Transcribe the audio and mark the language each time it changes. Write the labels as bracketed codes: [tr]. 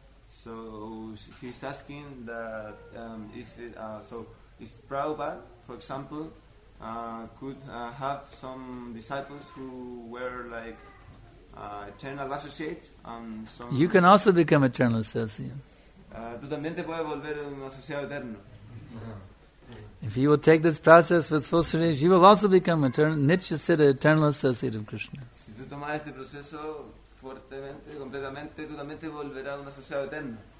[en] So he's asking that if Prabhupada, for example, could have some disciples who were like eternal associates. You can also become eternal associate. [es] Tú también te puedes volver un asociado eterno. [en] If you will take this process with full surrender, you will also become eternal associate of Krishna. [es] Si tú tomas este proceso fuertemente, completamente, tú también te volverás un asociado eterno.